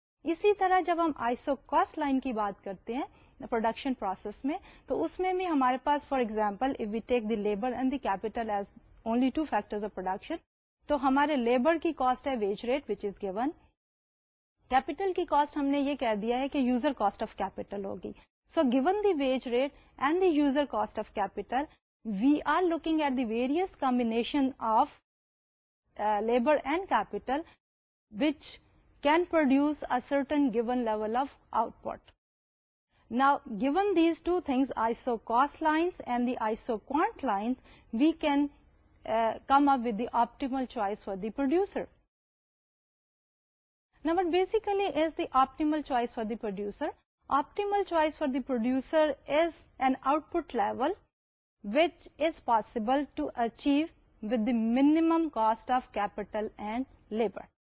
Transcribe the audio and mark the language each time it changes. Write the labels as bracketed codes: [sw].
[ur] اسی طرح جب ہم آئیسو کاسٹ لائن کی بات کرتے ہیں پروڈکشن پروسیس میں, تو اس میں بھی ہمارے پاس [en] for example if we take the labour and the capital as only two factors of production, [ur] تو ہمارے لیبر کی کاسٹ ہے veg rate [en] which is given, [ur] capital کی کاسٹ ہم نے یہ کہہ دیا ہے کہ یوزر کاسٹ آف کیپیٹل ہوگی. [en] So given the wage rate and the user cost of capital we are looking at the various combination of labour and capital which can produce a certain given level of output. Now, given these two things, ISO cost lines and the ISO quant lines, we can come up with the optimal choice for the producer. Now, what basically is the optimal choice for the producer? Optimal choice for the producer is an output level which is possible to achieve with the minimum cost of capital and labor.